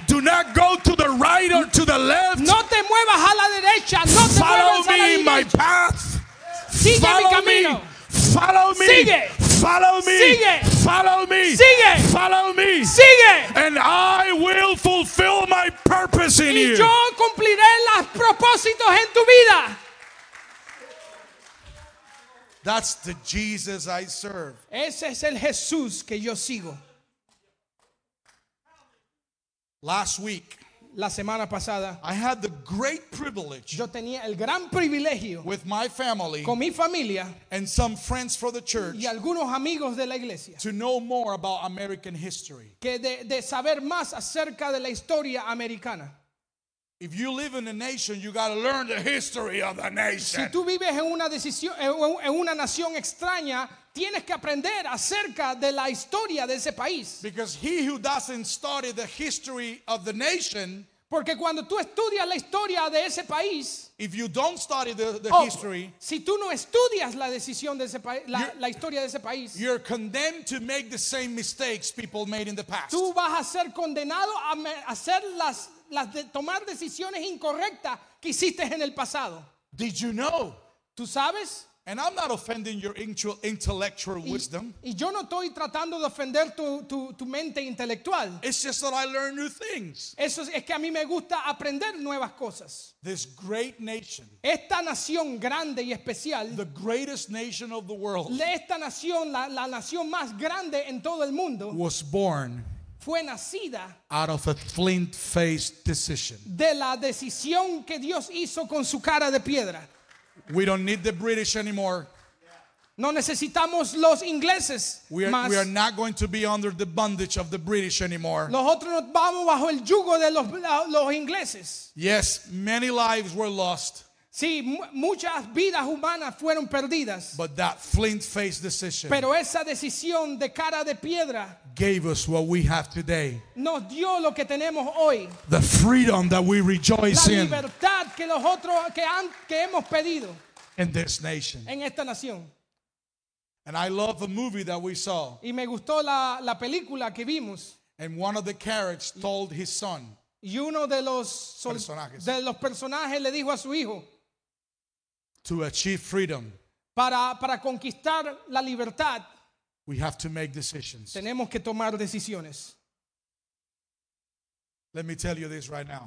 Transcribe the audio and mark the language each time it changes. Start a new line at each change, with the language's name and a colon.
English: Do not go to the right or to the left,
Spanish: no te muevas a la derecha, no te
English: follow
Spanish: muevas
English: me
Spanish: a la
English: in my path.
Spanish: Sigue
English: follow
Spanish: mi camino.
English: Me. Follow me.
Spanish: Sigue.
English: Follow me.
Spanish: Sigue.
English: Follow me.
Spanish: Sigue.
English: Follow me.
Spanish: Sigue.
English: And I will fulfill my purpose in
Spanish: y
English: you.
Spanish: Y yo cumpliré los propósitos en tu vida.
English: That's the Jesus I serve.
Spanish: Ese es el Jesús que yo sigo.
English: Last week.
Spanish: La semana pasada,
English: I had the great privilege,
Spanish: yo tenía el gran privilegio,
English: with my family,
Spanish: con mi familia,
English: and some friends from the church,
Spanish: y algunos amigos de la iglesia,
English: to know more about American history,
Spanish: que de saber más acerca de la historia americana.
English: If you live in a nation, you got to learn the history of the nation.
Spanish: Si tú vives en una decisión, en una nación extraña, tienes que aprender acerca de la historia de ese país.
English: Because he who doesn't study the history of the nation,
Spanish: porque cuando tú estudias la historia de ese país,
English: if you don't study the history,
Spanish: si tú no estudias la decisión de ese la historia de ese país,
English: you're condemned to make the same mistakes people made in the past.
Spanish: Tú vas a ser condenado a hacer las de tomar decisiones incorrectas que hiciste en el pasado.
English: Did you know?
Spanish: ¿Tú sabes?
English: And I'm not offending your intellectual wisdom.
Spanish: Y yo no estoy tratando de ofender tu mente intelectual.
English: It's just that I learn new things.
Spanish: Eso es que a mí me gusta aprender nuevas cosas.
English: This great nation.
Spanish: Esta nación grande y especial.
English: The greatest nation of the world.
Spanish: Esta nación, la nación más grande en todo el mundo.
English: Was born.
Spanish: Fue nacida
English: out of a flint-faced decision.
Spanish: De la decisión que Dios hizo con su cara de piedra.
English: We don't need the British anymore.
Spanish: No necesitamos los ingleses más.
English: We are not going to be under the bondage of the British anymore.
Spanish: Nosotros no vamos bajo el yugo de los ingleses.
English: Yes, many lives were lost.
Spanish: Sí, muchas vidas humanas fueron perdidas.
English: But that flint-faced decision.
Spanish: Pero esa decisión de cara de piedra.
English: Gave us what we have today.
Spanish: Nos dio lo que tenemos hoy.
English: The freedom that we rejoice in.
Spanish: La libertad que los otros que hemos pedido.
English: In this nation.
Spanish: En esta nación.
English: And I love the movie that we saw.
Spanish: Y me gustó la película que vimos.
English: And one of the characters told his son.
Spanish: Y uno de los personajes le dijo a su hijo.
English: To achieve freedom.
Spanish: Para conquistar la libertad.
English: We have to make decisions.
Spanish: Tenemos que tomar decisiones.
English: Let me tell you this right now.